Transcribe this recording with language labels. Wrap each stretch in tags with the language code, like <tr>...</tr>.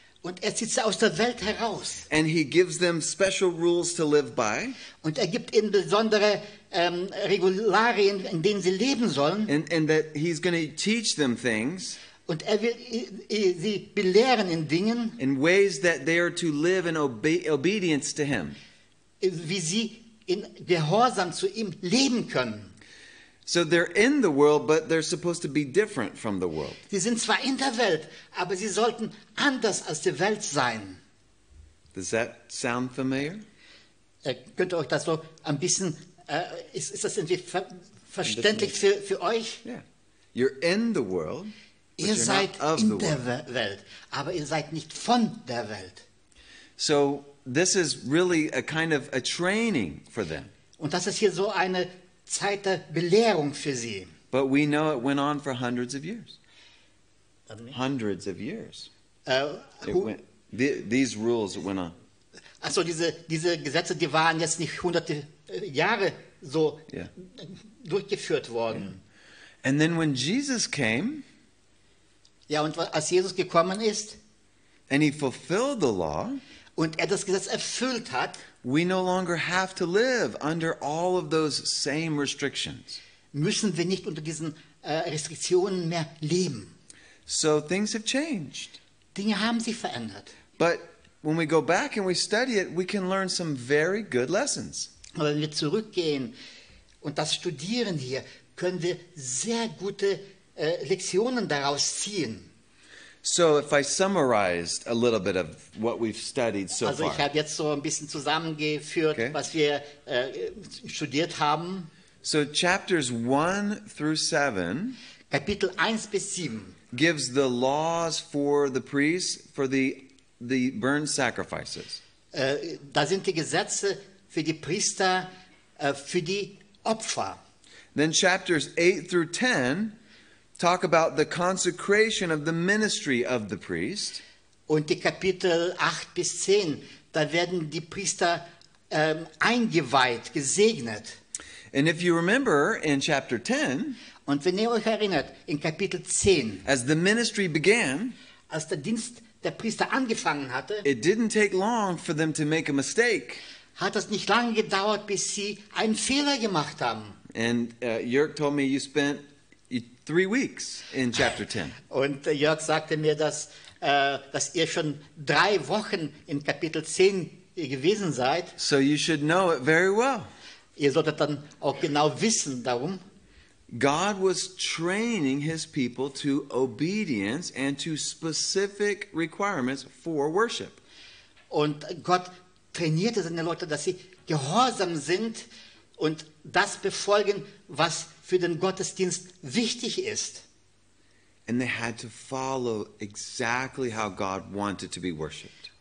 <de>Und er zieht sie aus der Welt heraus.</de> <en>And he gives them special rules to live by.</en> <de>Und er gibt ihnen besondere Regularien, in denen sie leben sollen.</de> <en>And that he's going to teach them things.</en> <de>Und er will sie belehren in Dingen.</de> <en>In ways that they are to live in obedience to him.</en> <de>Wie sie in Gehorsam zu ihm leben können.</de> <en>So they're in the world, but they're supposed to be different from the world.</en> <de>Sie sind zwar in der Welt, aber sie sollten anders als die Welt sein.</de> <en>Does that sound familiar?</en> <de>Könnt ihr euch das so ein bisschen, ist das irgendwie verständlich für euch?</de> <en>Yeah. You're in the world, but</en> <de>ihr</de> <en>you're</en> <de>seid</de> <en>not of</en> <de>in</de> <en>the</en> <de>der</de> <en>world.</en> <de>Welt, aber ihr seid nicht von der Welt.</de> <en>So this is really a kind of a training for them.</en> <de>Und das ist hier so eine Zeit der Belehrung für sie.</de> <en>But we know it went on for hundreds of years. Hundreds of years. These rules went on.</en> <de>Also diese Gesetze, die waren jetzt nicht hunderte Jahre so durchgeführt worden.</de> <en>Yeah. And then when Jesus came.</en> <de>Ja, und als Jesus gekommen ist.</de> <en>And he fulfilled the law.</en> <de>Und er das Gesetz erfüllt hat.</de> <en>We no longer have to live under all of those same restrictions.</en> <de>Müssen wir nicht unter diesen Restriktionen mehr leben.</de> <en>So things have changed.</en> <de>Dinge haben sich verändert.</de> <en>But when we go back and we study it, we can learn some very good lessons.</en> <de>Aber wenn wir zurückgehen und das studieren hier, können wir sehr gute Lektionen daraus ziehen.</de> <en>So if I summarized a little bit of what we've studied so</en> <de>far. Also ich habe jetzt so ein bisschen zusammengeführt, was wir studiert haben.</de> <en>So chapters 1 through 7</en> <de>Kapitel 1 bis 7</de> <en>gives the laws for the priests for the burnt sacrifices.</en> <de>Da sind die Gesetze für die Priester für die Opfer.</de> <en>Then chapters 8 through 10 talk about the consecration of the ministry of the priest.</en> <de>Und die Kapitel 8 bis 10, da werden die Priester eingeweiht, gesegnet.</de> <en>And if you remember in chapter 10,</en> <de>und wenn ihr euch erinnert, in Kapitel 10,</de> <en>as the ministry began,</en> <de>als der Dienst der Priester angefangen hatte,</de> <en>it didn't take long for them to make a mistake.</en> <de>Hat es nicht lange gedauert, bis sie einen Fehler gemacht haben.</de> <en>And Jörg told me you spent 3 weeks in chapter 10.</en> <de>Und Jörg sagte mir, dass ihr schon 3 Wochen in Kapitel 10 gewesen seid.</de> <en>So you should know it very well.</en> <de>Ihr solltet dann auch genau wissen darum.</de> <en>God was training his people to obedience and to specific requirements for worship.</en> <de>Und Gott trainierte seine Leute, dass sie gehorsam sind und das befolgen, was für den Gottesdienst wichtig ist.</de> <en>And they had to follow exactly how God wanted to be worshipped.</en>